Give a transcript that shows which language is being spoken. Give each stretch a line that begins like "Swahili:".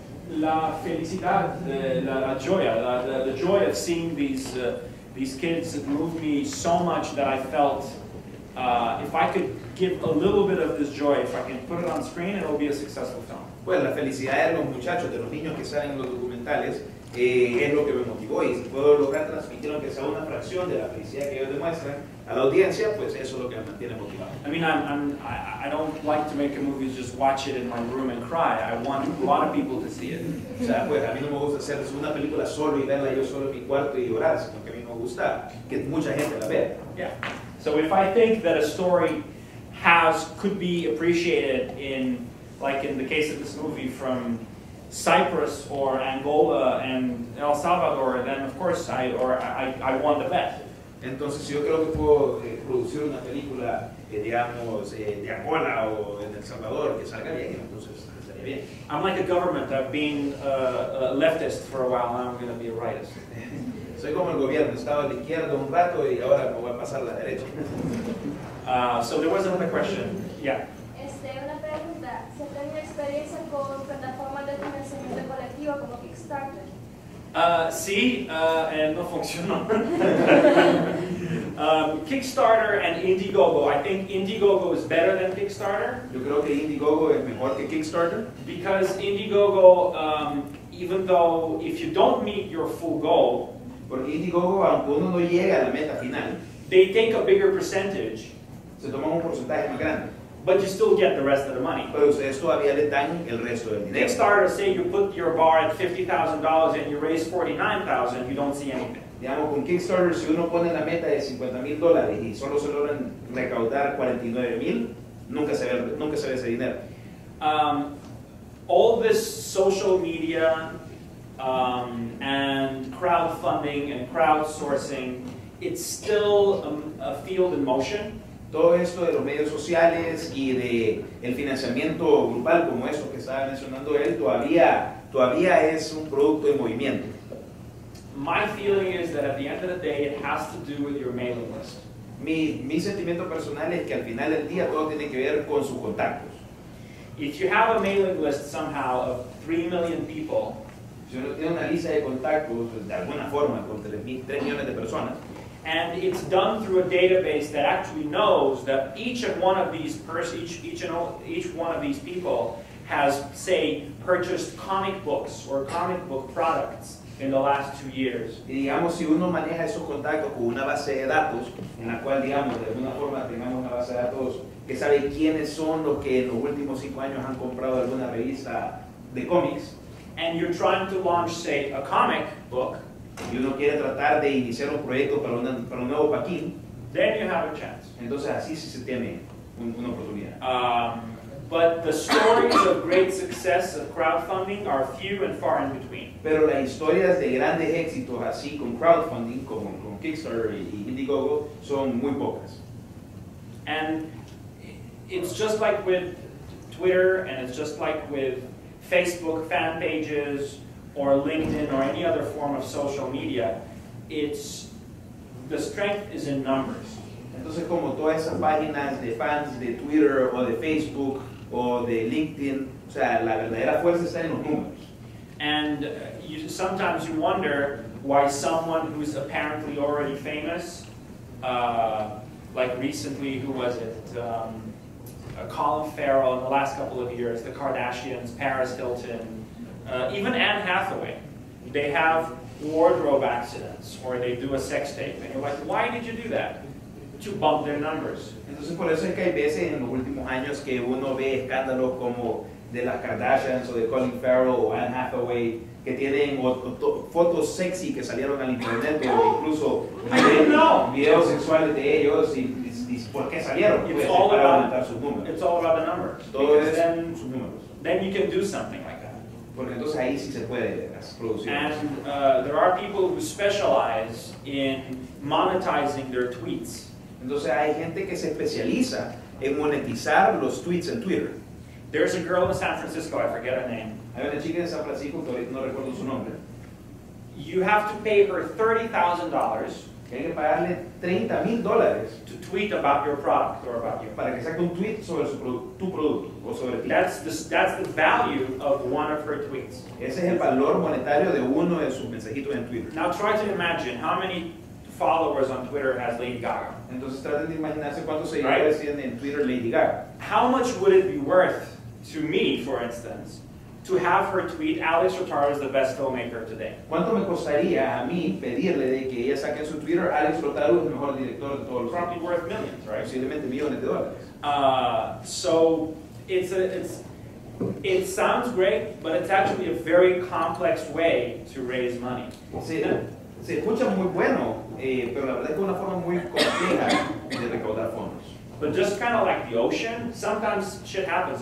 Spanish: La felicidad, la joya,
English: the joy of seeing these kids moved me so much that I felt if I could give a little bit of this joy, if I can put it on screen, it'll be a successful film.
Spanish: Pues la felicidad de los muchachos, de los niños que salen en los documentales, es lo que me motivó. Y si puedo lograr transmitir aunque sea una fracción de la felicidad que ellos demuestran a la audiencia, pues eso es lo que me mantiene motivado.
English: I mean, I don't like to make a movie just watch it in my room and cry. I want a lot of people to see it.
Spanish: O sea, pues a mí no me gusta hacer una película solo y verla yo solo en mi cuarto y llorar, sino que a mí me gusta que mucha gente la vea.
English: Yeah. So if I think that a story could be appreciated in, like in the case of this movie, from Cyprus or Angola and El Salvador, then of course I won the bet.
Spanish: Entonces, si yo creo que puedo producir una película, digamos, de Angola o en El Salvador, que salga bien, entonces estaría bien.
English: I'm like a government. I've been a leftist for a while. Now I'm going to be a rightist.
Spanish: Soy como el gobierno. Estaba a la izquierda un rato y ahora me voy a pasar a la derecha.
English: So there was another question. Yeah.
Spanish: Una pregunta. ¿Se ha tenido experiencia con plataformas de financiamiento colectivo como Kickstarter? No funcionó.
English: Kickstarter and Indiegogo. I think Indiegogo is better than Kickstarter.
Spanish: Yo creo que Indiegogo es mejor que Kickstarter.
English: Because Indiegogo, even though if you don't meet your full goal,
Spanish: porque Indiegogo, aunque uno no llega a la meta final,
English: they take a bigger percentage.
Spanish: Se toma un porcentaje más grande.
English: But you still get the rest of the money.
Spanish: Pero ustedes todavía le dan el resto del dinero.
English: Kickstarter, say you put your bar at $50,000 and you raise $49,000, you don't see anything.
Spanish: Digamos, con Kickstarter, si uno pone la meta de $50,000 y solo se logran recaudar $49,000, nunca se ve ese dinero.
English: All this social media and crowdfunding and crowdsourcing, it's still a field in motion.
Spanish: Todo esto de los medios sociales y de el financiamiento grupal como esto que estaba mencionando él todavía es un producto en movimiento.
English: My feeling is that at the end of the day it has to do with your mailing list.
Spanish: Mi sentimiento personal es que al final del día todo tiene que ver con sus contactos.
English: If you have a mailing list somehow of 3 million people,
Spanish: si uno tiene una lista de contactos de alguna forma con 3 millones de personas,
English: and it's done through a database that actually knows that each of one of these each one of these people has, say, purchased comic books or comic book products in the last 2 years.
Spanish: Y digamos, si uno maneja esos contactos con una base de datos, en la cual, digamos, de alguna forma tengamos una base de datos que sabe quiénes son los que en los últimos 5 años han comprado alguna revista de cómics.
English: And you're trying to launch, say, a comic book.
Spanish: Y uno quiere tratar de iniciar un proyecto para un nuevo Paquín.
English: Then you have a chance.
Spanish: Entonces así se tiene una oportunidad.
English: But the stories of great success of crowdfunding are few and far in between.
Spanish: Pero las historias de grandes éxitos así con crowdfunding, como con Kickstarter y Indiegogo, son muy pocas.
English: And it's just like with Twitter, and it's just like with Facebook fan pages, or LinkedIn, or any other form of social media, it's the strength is in numbers.
Spanish: Entonces, como todas esas páginas de fans de Twitter o de Facebook, o de LinkedIn. O sea, la verdadera fuerza está en los números.
English: And you, sometimes you wonder why someone who's apparently already famous, like recently, who was it? Colin Farrell in the last couple of years, the Kardashians, Paris Hilton, even Anne Hathaway. They have wardrobe accidents, or they do a sex tape, and you're like, why did you do that? To bump their numbers.
Spanish: Entonces por eso es que hay veces en los últimos años que uno ve escándalos como de las Kardashians o de Colin Farrell o Anne Hathaway que tienen fotos sexy que salieron al internet o incluso videos sexuales de ellos y por qué salieron.
English: It's all about
Spanish: sus números.
English: It's all about the numbers.
Spanish: Todo es sus números.
English: Then you can do something like that.
Spanish: Porque entonces ahí sí se puede producir.
English: And there are people who specialize in monetizing their tweets.
Spanish: Entonces hay gente que se especializa en monetizar los tweets en Twitter.
English: There's a girl in San Francisco, I forget her name.
Spanish: Hay una chica en San Francisco, todavía no recuerdo su nombre.
English: You have to pay her $30,000.
Spanish: Tienes que pagarle $30,000.
English: To tweet about your product or about you.
Spanish: Para que saque un tweet sobre su tu producto o sobre ti.
English: That's the value of one of her tweets.
Spanish: Ese es el valor monetario de uno de sus mensajitos en Twitter.
English: Now try to imagine how many followers on Twitter has Lady Gaga.
Spanish: Entonces traten de imaginarse cuántos seguidores tiene en Twitter Lady Gaga.
English: How much would it be worth to me, for instance, to have her tweet Alex Rotaru is the best filmmaker today?
Spanish: ¿Cuánto me costaría a mí pedirle de que ella saque su Twitter Alex Rotaru es el mejor director de todos los
English: probably tiempos? Worth millions, right?
Spanish: Posiblemente millones de dólares.
English: It sounds great, but it's actually a very complex way to raise money.
Spanish: Sí, se escucha muy bueno, pero la verdad es que una forma muy compleja de recaudar fondos.
English: But just kind of like the ocean, sometimes shit happens.